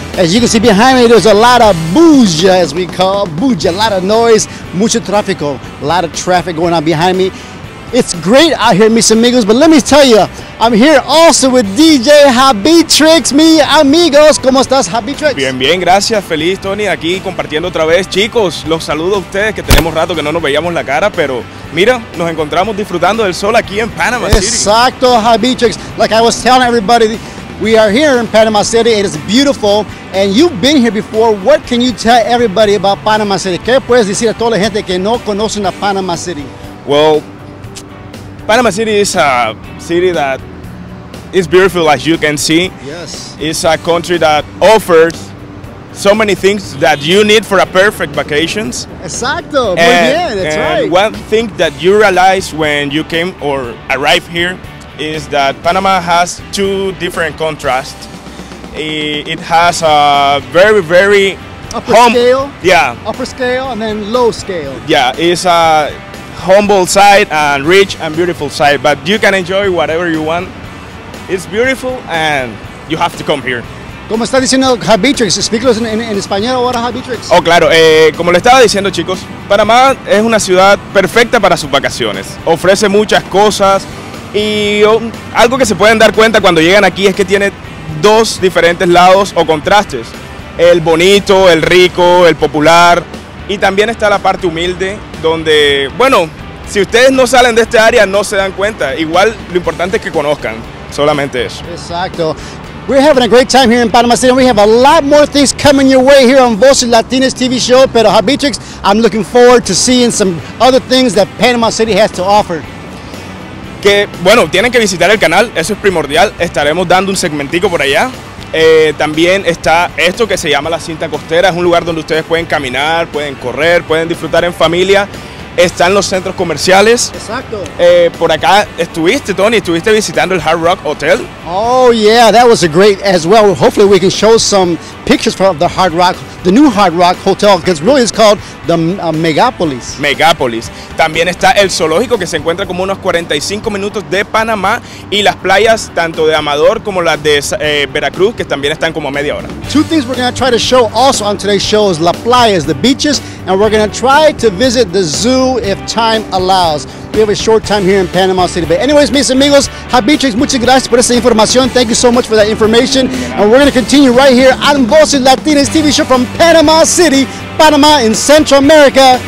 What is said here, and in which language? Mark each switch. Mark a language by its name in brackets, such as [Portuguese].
[English] As you can see behind me, there's a lot of bulla, as we call bulla, a lot of noise, [Spanish] mucho tráfico, [English] a lot of traffic going on behind me. It's great out here, [Spanish] mis amigos, [English] but let me tell you, I'm here also with DJ Habitrix, [Spanish] mi amigos. ¿Cómo estás, Habitrix? Bien, bien, gracias. Feliz, Tony, aquí compartiendo otra vez. Chicos, los saludo a ustedes, que tenemos rato que no nos veíamos la cara, pero mira, nos encontramos disfrutando del sol aquí en Panama City. [English] Exacto, Habitrix. Like I was telling everybody, we are here in Panama City. It is beautiful, and you've been here before. What can you tell everybody about Panama City? [Spanish] ¿Qué puedes decir a toda la gente que no conoce a Panama City? [English] Well, Panama City is a city that is beautiful, as you can see. Yes. It's a country that offers so many things that you need for a perfect vacations. [Spanish] Exacto. Muy bien. [English] That's and One thing that you realize when you came or arrived here is that Panama has two different contrasts. It has a very, very upper home scale. Yeah. Upper scale and then low scale. Yeah. It's a humble side and rich and beautiful side, but you can enjoy whatever you want. It's beautiful and you have to come here. [Spanish] ¿Cómo está diciendo Habitrix? Explícalos en español ahora, Habitrix. Oh, claro. Como le estaba diciendo, chicos, Panamá es una ciudad perfecta para sus vacaciones. Ofrece muchas cosas y algo que se pueden dar cuenta cuando llegan aquí es que tiene dos diferentes lados o contrastes. El bonito, el rico, el popular. Y también está la parte humilde, donde, bueno, si ustedes no salen de esta área, no se dan cuenta. Igual, lo importante es que conozcan, solamente eso. [English] Exacto. We're having a great time here in Panama City. We have a lot more things coming your way here on Voces Latinas TV Show. Pero, Habitrix, I'm looking forward to seeing some other things that Panama City has to offer. [Spanish] Que, bueno, tienen que visitar el canal, eso es primordial. Estaremos dando un segmentico por allá. También está esto que se llama la cinta costera, es un lugar donde ustedes pueden caminar, pueden correr, pueden disfrutar en familia. Están los centros comerciales. Exacto. Por acá estuviste, Tony, estuviste visitando el Hard Rock Hotel. [English] Oh yeah, that was a great as well. Hopefully we can show some pictures from the Hard Rock, the new Hard Rock Hotel, because really it's called the Megapolis. Megapolis. [Spanish] También está el zoológico, que se encuentra como unos 45 minutos de Panamá, y las playas tanto de Amador como las de Veracruz, que también están como a media hora. [English] Two things we're going to try to show also on today's show is [Spanish] la playas, [English] the beaches, and we're going to try to visit the zoo if time allows. We have a short time here in Panama City. But anyways, [Spanish] mis amigos, [English] Habitrix, [Spanish] muchas gracias por esta información. [English] Thank you so much for that information. And we're going to continue right here on Voces Latinas TV Show from Panama City, Panama in Central America.